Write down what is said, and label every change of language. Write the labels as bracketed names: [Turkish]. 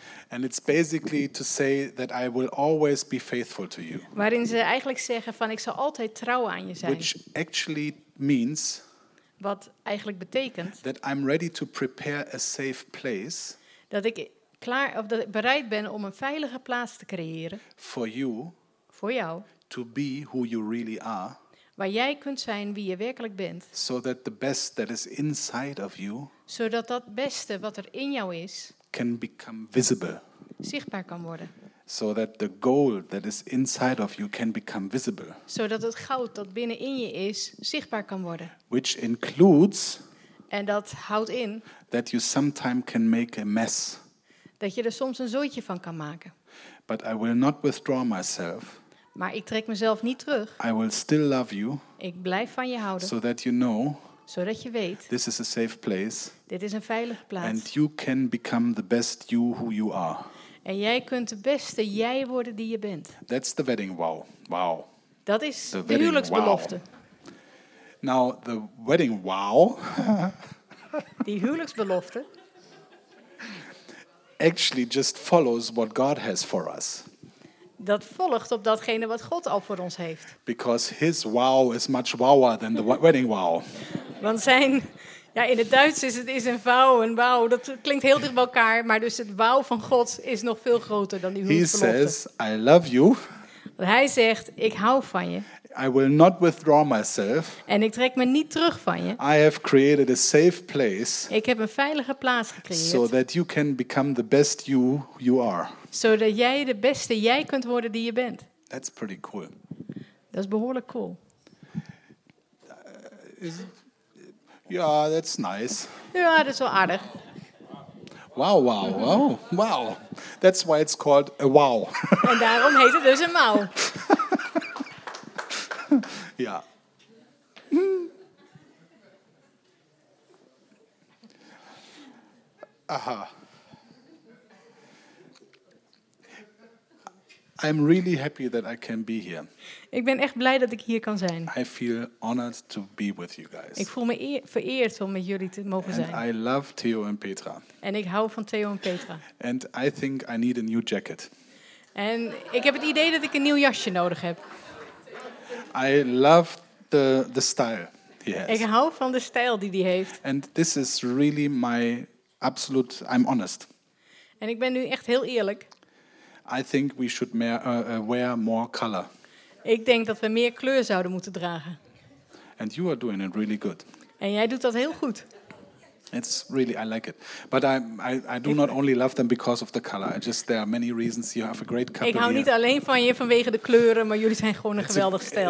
[English] And it's basically to say that I will always be faithful to you. [Dutch] Waarin ze eigenlijk zeggen van ik zal altijd trouw aan je zijn. [English] Which actually means. [Dutch] Wat eigenlijk betekent. [English] That I'm ready to prepare a safe place. [Dutch] Dat ik klaar of dat ik bereid ben om een veilige plaats te creëren. [English] For you. [Dutch] Voor jou. [English] To be who you really are. [Dutch] Waar jij kunt zijn wie je werkelijk bent. [English] So that the best that is inside of you. [Dutch] Zodat dat beste wat er in jou is. [English] Can become visible. [Dutch] Zichtbaar kan worden. [English] So that the gold that is inside of you can become visible. [Dutch] Zodat het goud dat binnen in je is zichtbaar kan worden. [English] Which includes. [Dutch] En dat houdt in. [English] That you sometime can make a mess. [Dutch] Dat je er soms een zooitje van kan maken. [English] But I will not withdraw myself. [Dutch] Maar ik trek mezelf niet terug. [English] I will still love you. [Dutch] Ik blijf van je houden. [English] So that you know. [Dutch] Zodat je weet. [English] This is a safe place. [Dutch] Dit is een veilige plaats. [English] And you can become the best you who you are. [Dutch] En jij kunt de beste jij worden die je bent. [English] That's the wedding vow. Wow. [Dutch] Dat is de huwelijksbelofte. [English] Wow. Now the wedding vow. [Dutch] Die huwelijksbelofte. [English] Actually just follows what God has for us. [Dutch] Dat volgt op datgene wat God al voor ons heeft. [English] Because his wow is much wower than the wedding wow. [Dutch] Want zijn, ja, in het Duits is een wow, een wow. Dat klinkt heel dicht bij elkaar, maar dus het wow van God is nog veel groter dan die huwelijksbelofte. [English] He says, I love you. [Dutch] Want hij zegt, ik hou van je. [English] I will not withdraw myself. [Dutch] En ik trek me niet terug van je. [English] I have created a safe place. [Dutch] Ik heb een veilige plaats gecreëerd. [English] So that you can become the best you you are. [Dutch] Zodat jij de beste jij kunt worden die je bent. [English] That's pretty cool. [Dutch] Dat is behoorlijk cool. [English] Yeah, that's nice. [Dutch] Ja, dat is wel aardig. [English] Wow, wow, wow, wow. That's why it's called a wow. [Dutch] En daarom heet het dus een wow. Ja. Aha. [English] I'm really happy that I can be here. [Dutch] Ik ben echt blij dat ik hier kan zijn. [English] I feel honored to be with you guys. [Dutch] Ik voel me vereerd om met jullie te mogen zijn. [English] And I love Theo and Petra. [Dutch] En ik hou van Theo en Petra. [English] And I think I need a new jacket. [Dutch] En ik heb het idee dat ik een nieuw jasje nodig heb. [English] I love the style he has. [Dutch] Ik hou van de stijl die hij heeft. [English] And this is really my absolute. I'm honest. [Dutch] En ik ben nu echt heel eerlijk. [English] I think we should wear more color. [Dutch] Ik denk dat we meer kleur zouden moeten dragen. [English] And you are doing it really good. [Dutch] En jij doet dat heel goed. [English] It's really, I like it. But I do not only love them because of the color. There are many reasons. You have a great couple. [Dutch] Ik hou [English] here. [Dutch] Niet alleen van je vanwege de kleuren, maar jullie zijn gewoon een geweldig stel.